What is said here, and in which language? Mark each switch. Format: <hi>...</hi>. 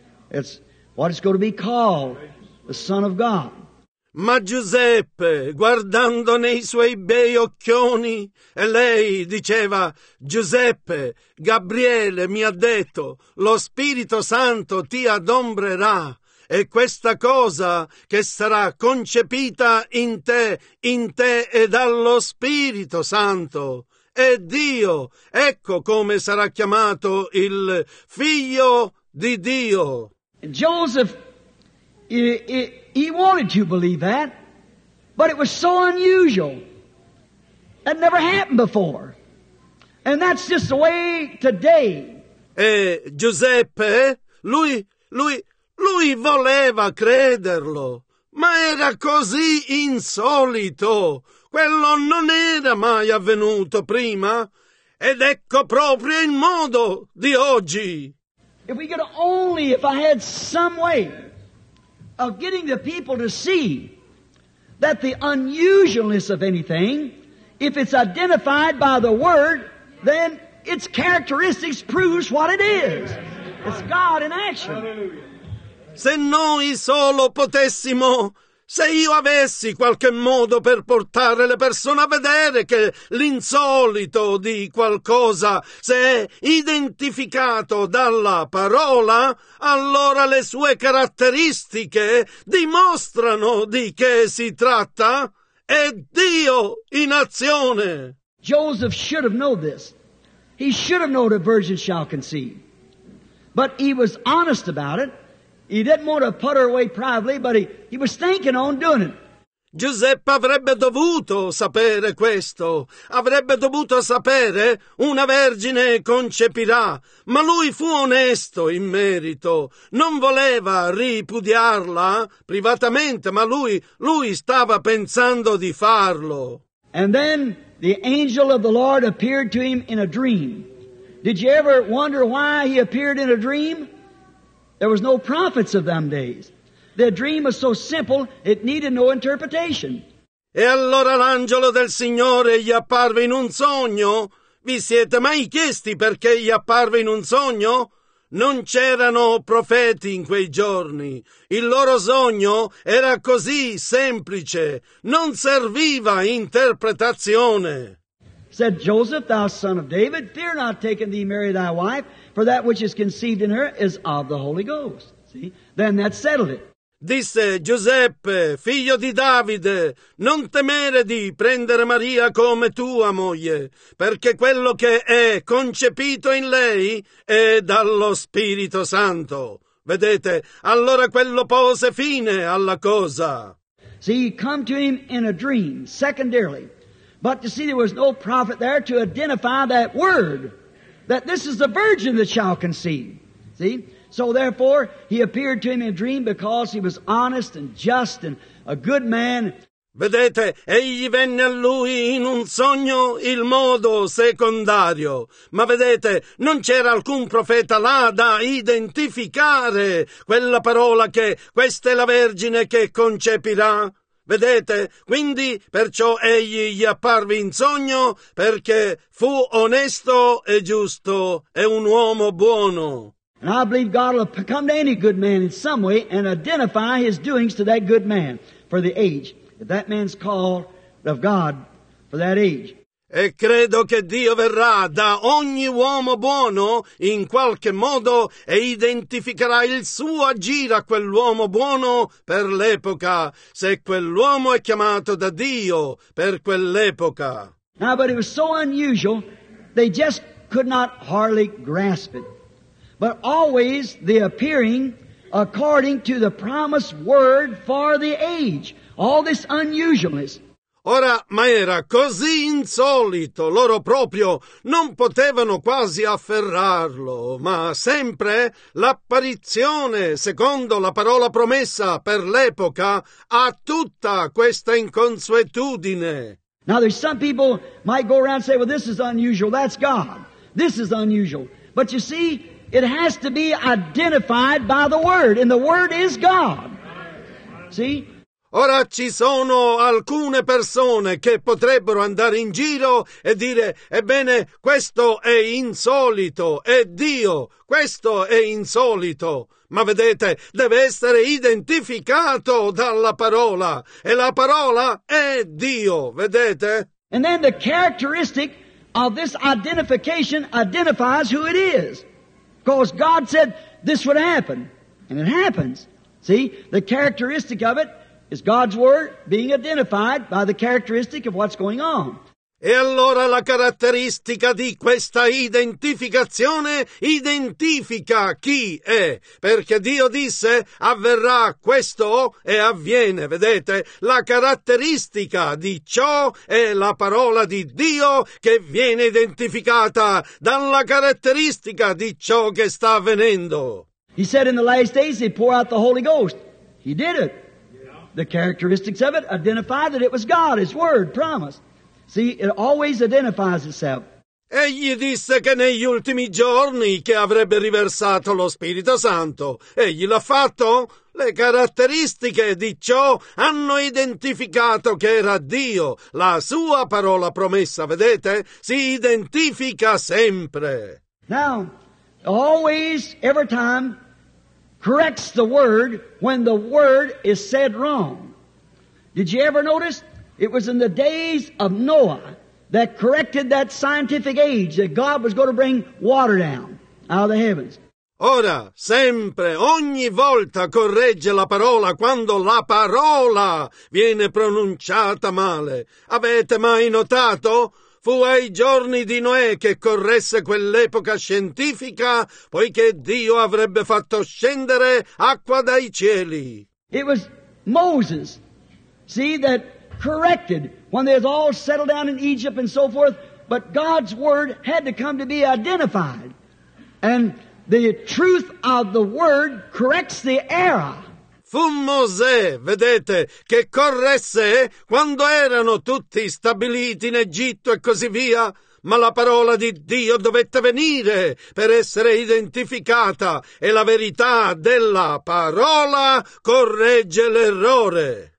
<en>It's what it's going to be called, the Son of God.</en> <it>Ma Giuseppe, guardando nei suoi bei occhioni, e lei diceva, Giuseppe, Gabriele mi ha detto, lo Spirito Santo ti adombrerà, e questa cosa che sarà concepita in te e dallo Spirito Santo, è Dio, ecco come sarà chiamato il Figlio di Dio.</it> <en>Joseph, he wanted to believe that, but it was so unusual. It never happened before. And that's just the way today.</en> <it>E Giuseppe, lui voleva crederlo, ma era così insolito. Quello non era mai avvenuto prima, ed ecco proprio il modo di oggi.</it> <en>If I had some way of getting the people to see that the unusualness of anything, if it's identified by the Word, then its characteristics proves what it is. It's God in action.</en> <it>Se noi solo potessimo, se io avessi qualche modo per portare le persone a vedere che l'insolito di qualcosa se è identificato dalla parola, allora le sue caratteristiche dimostrano di che si tratta. È Dio in azione.</it> <en>Joseph should have known this. He should have known a virgin shall conceive. But he was honest about it. He didn't want to put her away privately, but he was thinking on doing it.</en> <it>Giuseppe avrebbe dovuto sapere questo. Avrebbe dovuto sapere una vergine concepirà. Ma lui fu onesto in merito. Non voleva ripudiarla privatamente, ma lui stava pensando di farlo.</it> <en>And then the angel of the Lord appeared to him in a dream. Did you ever wonder why he appeared in a dream? There was no prophets of them days. Their dream was so simple, it needed no interpretation.</en> <it>E allora l'angelo del Signore gli apparve in un sogno? Vi siete mai chiesti perché gli apparve in un sogno? Non c'erano profeti in quei giorni. Il loro sogno era così semplice. Non serviva interpretazione.</it> <en>Said Joseph, thou son of David, fear not taking thee Mary thy wife, for that which is conceived in her is of the Holy Ghost. See? Then that settled it.</en> <it>Disse Giuseppe, figlio di Davide, non temere di prendere Maria come tua moglie, perché quello che è concepito in lei è dallo Spirito Santo. Vedete, allora quello pose fine alla cosa.</it> <en>See, come to him in a dream, secondarily. But you see, there was no prophet there to identify that word, that this is the virgin that shall conceive. See? So therefore, he appeared to him in a dream because he was honest and just and a good man.</en> <it>Vedete, egli venne a lui in un sogno il modo secondario, ma vedete, non c'era alcun profeta là da identificare quella parola che questa è la Vergine che concepirà. Vedete, quindi perciò egli gli apparve in sogno perché fu onesto e giusto e un uomo buono.</it> <en>And I believe God will come to any good man in some way and identify his doings to that good man for the age. If that man's called of God for that age.</en> <it>E credo che Dio verrà da ogni uomo buono in qualche modo e identificherà il suo agire a quell'uomo buono per l'epoca, se quell'uomo è chiamato da Dio per quell'epoca.</it> <en>Now, but it was so unusual, they just could not hardly grasp it. But always the appearing according to the promised word for the age. All this unusualness.</en> <it>Ora, ma era così insolito, loro proprio non potevano quasi afferrarlo, ma sempre l'apparizione, secondo la parola promessa per l'epoca, a tutta questa inconsuetudine.</it> <en>Now there's some people might go around and say, well, this is unusual, that's God. This is unusual. But you see, it has to be identified by the Word, and the Word is God. See?</en> <it>Ora ci sono alcune persone che potrebbero andare in giro e dire, ebbene, questo è insolito, è Dio, questo è insolito. Ma vedete, deve essere identificato dalla parola, e la parola è Dio, vedete?</it> <en>And then the characteristic of this identification identifies who it is. Because God said this would happen, and it happens. See, the characteristic of it is God's word being identified by the characteristic of what's going on.</en> <it>E allora la caratteristica di questa identificazione identifica chi è, perché Dio disse avverrà questo e avviene, vedete? La caratteristica di ciò è la parola di Dio che viene identificata dalla caratteristica di ciò che sta avvenendo.</it> <en>He said in the last days he'd pour out the Holy Ghost. He did it. The characteristics of it identify that it was God, His Word, promised. See, it always identifies itself.</en> <it>Egli disse che negli ultimi giorni che avrebbe riversato lo Spirito Santo. Egli l'ha fatto? Le caratteristiche di ciò hanno identificato che era Dio. La sua parola promessa, vedete, si identifica sempre.</it> <en>Now, always, every time, corrects the word when the word is said wrong. Did you ever notice? It was in the days of Noah that corrected that scientific age that God was going to bring water down out of the heavens.</en> <it>Ora, sempre, ogni volta corregge la parola quando la parola viene pronunciata male. Avete mai notato? Fu ai giorni di Noè che corresse quell'epoca scientifica, poiché Dio avrebbe fatto scendere acqua dai cieli.</it> <en>It was Moses, see, that corrected when they had all settled down in Egypt and so forth, but God's word had to come to be identified. And the truth of the word corrects the error.</en> <it>Fu Mosè, vedete, che corresse quando erano tutti stabiliti in Egitto e così via, ma la parola di Dio dovette venire per essere identificata e la verità della parola corregge l'errore.</it>